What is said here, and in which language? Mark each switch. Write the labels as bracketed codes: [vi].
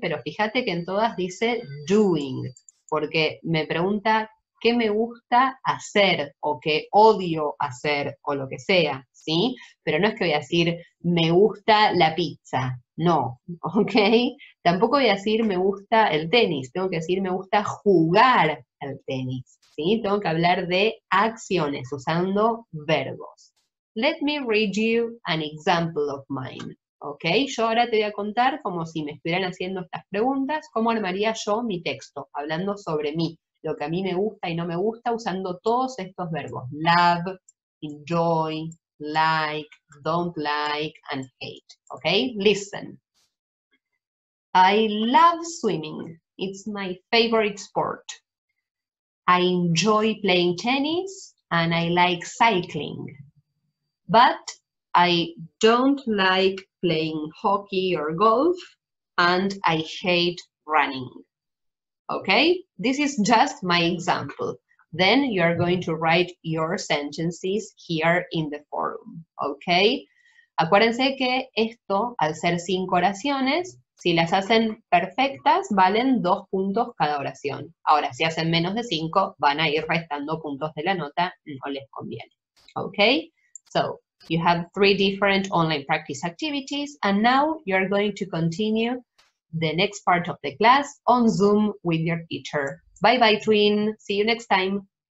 [es] Pero fíjate que en todas dice doing, porque me pregunta qué me gusta hacer o qué odio hacer o lo que sea, ¿sí? Pero no es que voy a decir me gusta la pizza, no, ¿ok? Tampoco voy a decir me gusta el tenis, tengo que decir me gusta jugar al tenis, ¿sí? Tengo que hablar de acciones usando verbos. [en] Let me read you an example of mine. [es] Ok, yo ahora te voy a contar como si me estuvieran haciendo estas preguntas, cómo armaría yo mi texto, hablando sobre mí, lo que a mí me gusta y no me gusta, usando todos estos verbos. [en] Love, enjoy, like, don't like, and hate. Ok, listen. I love swimming. It's my favorite sport. I enjoy playing tennis, and I like cycling. But I don't like playing hockey or golf, and I hate running. Okay, this is just my example. Then you're going to write your sentences here in the forum. [es] Okay, acuérdense que esto, al ser 5 oraciones, si las hacen perfectas, valen 2 puntos cada oración. Ahora, si hacen menos de 5, van a ir restando puntos de la nota, no les conviene. [en] Okay, so. You have 3 different online practice activities, and now you're going to continue the next part of the class on Zoom with your teacher. Bye bye, Tween. See you next time.